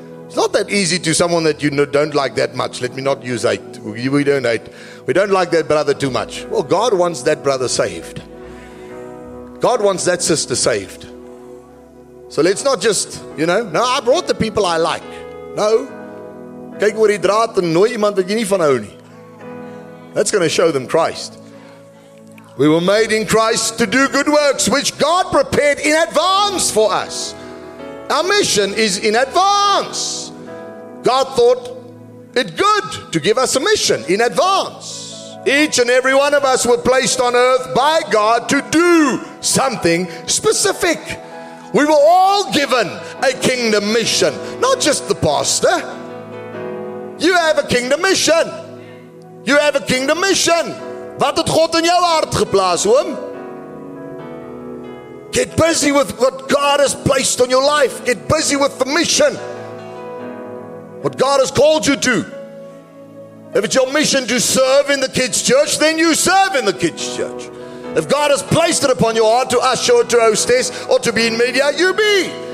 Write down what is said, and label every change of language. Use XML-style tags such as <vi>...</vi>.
<en>It's not that easy to someone that you don't like that much. Let me not use hate. We don't hate. We don't like that brother too much. Well, God wants that brother saved. God wants that sister saved. So let's not just, you know, no, I brought the people I like. No.</en> <af>Kyk oor die draad en nooi iemand wat jy nie van hou nie.</af> <en>That's going to show them Christ. We were made in Christ to do good works, which God prepared in advance for us. Our mission is in advance. God thought it good to give us a mission in advance. Each and every one of us were placed on earth by God to do something specific. We were all given a kingdom mission, not just the pastor. You have a kingdom mission. You have a kingdom mission.</en> <af>Wat het God in jou hart geplaas, oom?</af> <en>Get busy with what God has placed on your life. Get busy with the mission. What God has called you to. If it's your mission to serve in the kids' church, then you serve in the kids' church. If God has placed it upon your heart to usher, to hostess, or to be in media, you be.</en>